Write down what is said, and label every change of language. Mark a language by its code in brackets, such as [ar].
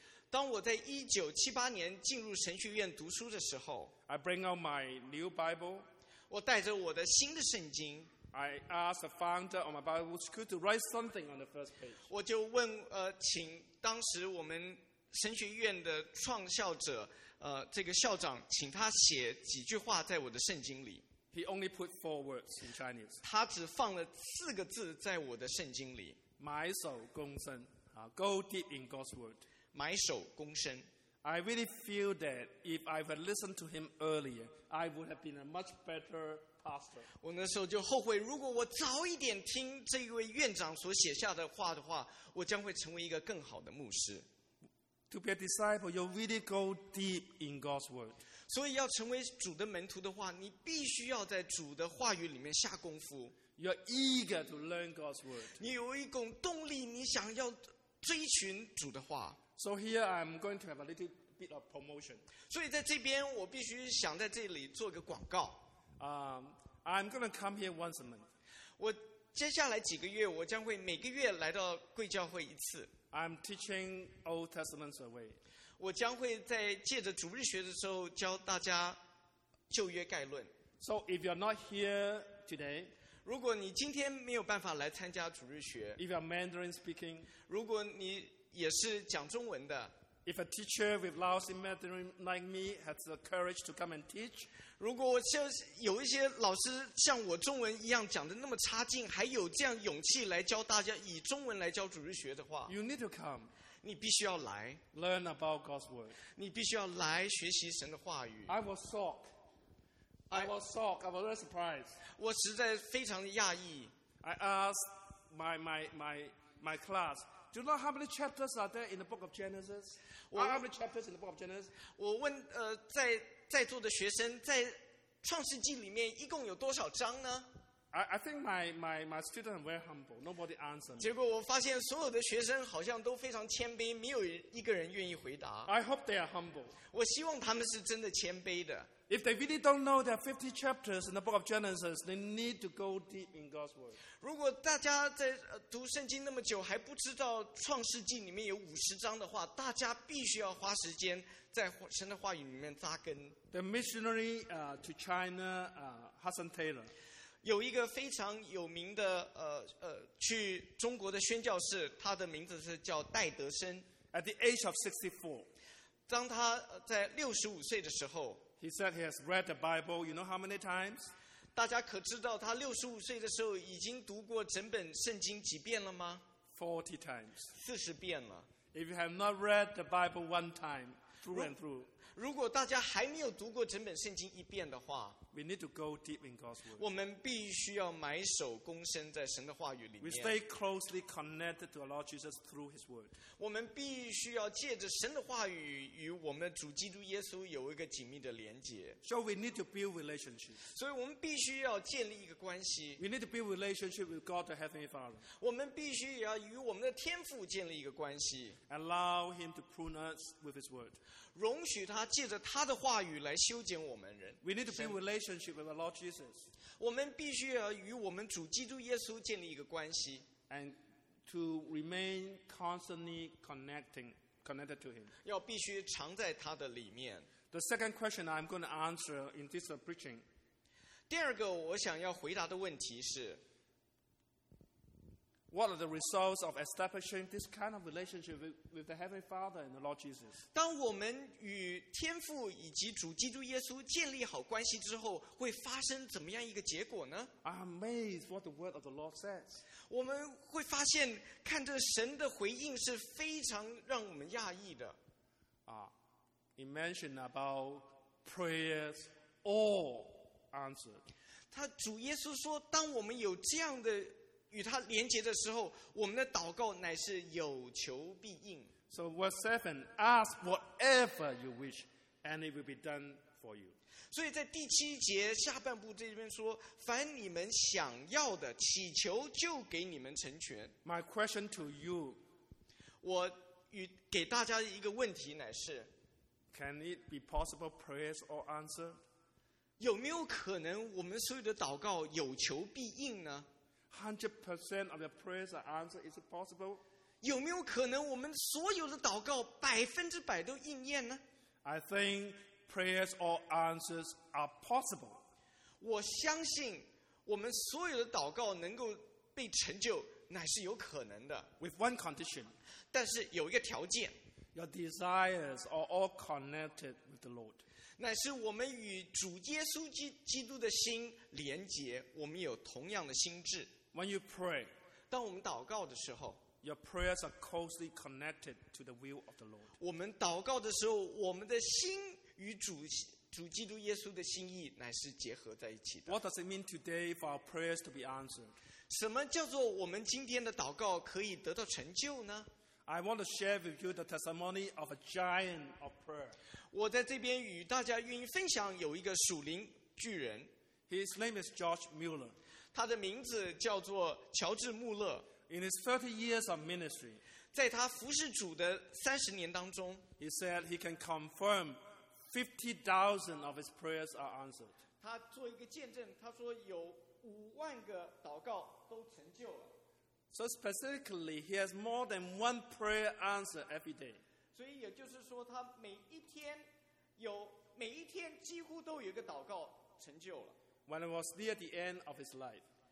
[zh] 当我在1978年进入神学院读书的时候 [en] I bring out my new Bible [zh] 我带着我的新的圣经 [en] I asked the founder of my Bible school to write something on the first page [zh] 我就问请当时我们神学院的创校者这个校长请他写几句话在我的圣经里 [en] He only put four words in Chinese [zh] 他只放了四个字在我的圣经里埋首躬身 [en] Go deep in God's word [zh] 埋首躬身 [en] I really feel that if I had listened to him earlier I would have been a much better pastor [zh] 我那时候就后悔如果我早一点听这位院长所写下的话的话我将会成为一个更好的牧师 [en] To be a disciple you really go deep in God's word [zh] 所以要成为主的门徒的话你必须要在主的话语里面下功夫 [en] You're eager to learn God's word. [zh] 你有一种动力，你想要追寻主的话。 [en] So here I'm going to have a little bit of promotion. [zh] 所以在这边，我必须想在这里做个广告。 [en] I'm going to come here once a month. [zh] 我接下来几个月，我将会每个月来到贵教会一次。 [en] I'm teaching Old Testament survey. [zh] 我将会在借着主日学的时候教大家旧约概论。 [en] So if you're not here today. [zh] 如果你今天没有办法来参加主日学 [en] If you're Mandarin speaking [zh] 如果你也是讲中文的 [en] If a teacher with lousy Mandarin like me has the courage to come and teach [zh] 如果像有一些老师像我中文一样讲得那么差劲还有这样勇气来教大家以中文来教主日学的话 [en] You need to come [zh] 你必须要来 [en] Learn about God's word [zh] 你必须要来学习神的话语 [en] I was shocked I was shocked. I was very surprised. [zh] 我实在非常讶异。 [en] I asked my class, "Do you know how many chapters are there in the book of Genesis?" How many chapters in the book of Genesis? [zh] 我问在座的学生，在创世纪里面一共有多少章呢 [en] ？I think my student are very humble. Nobody answered. [zh] 结果我发现所有的学生好像都非常谦卑，没有一个人愿意回答。 [en] I hope they are humble. [zh] 我希望他们是真的谦卑的。 [en] If they really don't know there are 50 chapters in the book of Genesis, they need to go deep in God's word. [zh] 如果大家在读圣经那么久还不知道创世纪里面有50章的话，大家必须要花时间在神的话语里面扎根。 [en] The missionary to China, Hudson Taylor. [zh] 有一个非常有名的去中国的宣教士，他的名字是叫戴德生。 [en] At the age of 64, [zh] 当他在65岁的时候 [en] ，He said he has read the Bible. You know how many times? [zh] 大家可知道他65岁的时候已经读过整本圣经几遍了吗 [en] ？40 times. [zh] 40遍了。 [en] If you have not read the Bible one time, through and through. [zh] 如果大家还没有读过整本圣经一遍的话 [en] ，We need to go deep in God's word. [zh] 我们必须要埋首躬身在神的话语里面。 [en] We stay closely connected to our Lord Jesus through His word. [zh] 我们必须要借着神的话语与我们的主基督耶稣有一个紧密的连结。 [en] So we need to build relationship. [zh] 所以我们必须要建立一个关系。 [en] We need to build relationship with God, the Heavenly Father. [zh] 我们必须要与我们的天父建立一个关系。 [en] Allow Him to prune us with His word. [zh] 容许他。借着他的话语来修剪我们人。 [en] We need to build relationship with the Lord Jesus. [zh] 我们必须要与我们主基督耶稣建立一个关系。 [en] And to remain constantly connected to Him. [zh] 要必须常在他的里面。 [en] The second question I'm going to answer in this preaching. [zh] 第二个我想要回答的问题是 [en] What are the results of establishing this kind of relationship with the Heavenly Father and the Lord Jesus. [zh] 当我们与天父以及主基督耶稣建立好关系之后，会发生怎么样一个结果呢？ [en] Amazed what the word of the Lord says. [zh] 我们会发现，看着神的回应是非常让我们讶异的。 [en] He mentioned about prayers all answered. [zh] 他主耶稣说，当我们有这样的与他连接的时候，我们的祷告乃是有求必应。 [en] So verse 7, ask whatever you wish, and it will be done for you. [zh] 所以在第七节下半部这边说，凡你们想要的，祈求就给你们成全。 [en] My question to you, [zh] 我与给大家一个问题乃是 [en] ，Can it be possible prayers all answered? [zh] 有没有可能我们所有的祷告有求必应呢？ [en] 100% of your prayers are answered. Is it possible? [zh] 有没有可能我们所有的祷告100%都应验呢？ [en] I think prayers or answers are possible. [zh] 我相信我们所有的祷告能够被成就乃是有可能的。 [en] With one condition. [zh] 但是有一个条件。 [en] Your desires are all connected with the Lord. [zh] 乃是我们与主耶稣基督的心连结，我们有同样的心智。 [en] When you pray, [zh] 当我们祷告的时候 [en] ，Your prayers are closely connected to the will of the Lord. [zh] 我们祷告的时候，我们的心与主基督耶稣的心意乃是结合在一起的。 [en] What does it mean today for our prayers to be answered? [zh] 什么叫做我们今天的祷告可以得到成就呢 [en] ？I want to share with you the testimony of a giant of prayer. [zh] 我在这边与大家愿意分享有一个属灵巨人。 [en] His name is George Mueller. [zh] 他的名字叫做乔治·穆勒。 [en] In his 30 years of ministry, [zh] 在他服侍主的30年当中 [en] ，He said he can confirm 50,000 of his prayers are answered. [zh] 他做一个见证，他说有50,000个祷告都成就了。 [en] So specifically, he has more than one prayer answered every day. [zh] 所以也就是说，他每一天几乎都有一个祷告成就了。 [en] When it was near the end of his life,